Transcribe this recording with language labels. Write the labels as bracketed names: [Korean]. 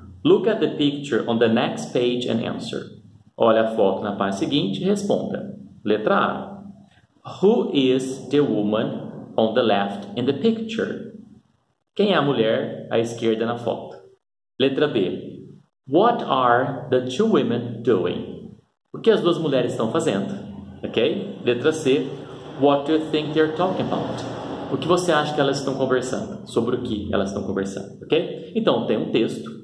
[English] Look at the picture on the next page and answer. [Portuguese] Olha a foto na página seguinte e responda. Letra A. [English] Who is the woman on the left in the picture? [Portuguese] Quem é a mulher à esquerda na foto? Letra B. [English] What are the two women doing? [Portuguese] O que as duas mulheres estão fazendo? Ok? Letra C. [English] What do you think they're talking about? [Portuguese] O que você acha que elas estão conversando? Sobre o que elas estão conversando? Ok? Então, tem um texto.